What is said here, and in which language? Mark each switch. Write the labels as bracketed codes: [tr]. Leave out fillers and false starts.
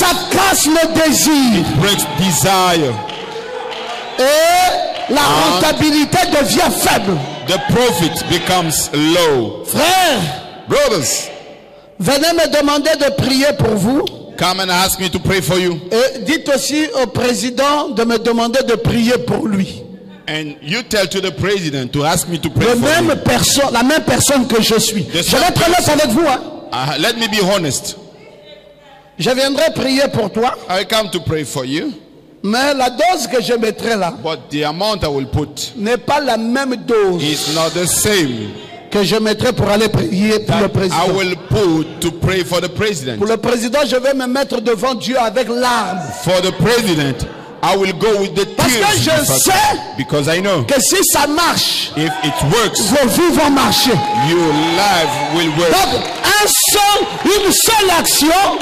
[fr] Ça casse le désir. [en] It breaks desire. [fr] Et la rentabilité devient faible. [en] The profit becomes low. [fr] Frères, [en] brothers, [fr] venez me demander de prier pour vous. [en] Come and ask me to pray for you. [fr] Et dites aussi au président de me demander de prier pour lui. [en] And you tell to the president to ask me to pray [fr] le [en] for [fr] même [en] you. [fr] Personne, la même personne que je suis. [en] The [fr] je vais être honnête avec vous. Hein. [en] Let me be honest. [fr] Je viendrai prier pour toi. [en] I come to pray for you. [fr] Mais la dose que je mettrai là. [en] But the amount I will put [fr] n'est pas la même dose. [en] It's not the same. [fr] Que je mettrai pour aller prier pour le président. [en] I will put to pray for the president. [fr] Pour le président, je vais me mettre devant Dieu avec larmes. [en] For the president. I will go with the tears. [fr] Parce que je [en] because [fr] sais [en] because I know [fr] que si ça marche, [en] if it works, [fr] vos vies vont marcher. [en] Your life will work. [fr] Donc, une seule action,